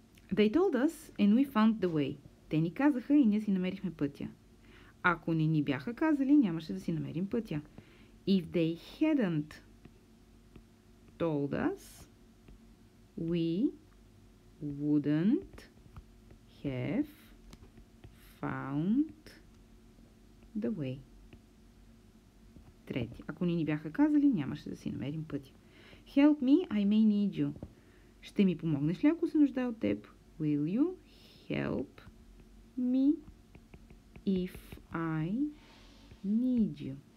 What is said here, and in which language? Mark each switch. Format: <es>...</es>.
<en>They told us and we found the way.</en> <bg>Те ни казаха и ние си намерихме пътя. Ако не ни бяха казали, нямаше да си намерим пътя.</bg> <en>If they hadn't told us, we wouldn't have found the way.</en> <bg>Трети. Ако не ни бяха казали, нямаше да си намерим пътя.</bg> <en>Help me, I may need you.</en> <bg>Ще ми помогнеш ли, ако се нуждая от теб?</bg> <en>Will you help me if I need you?</en>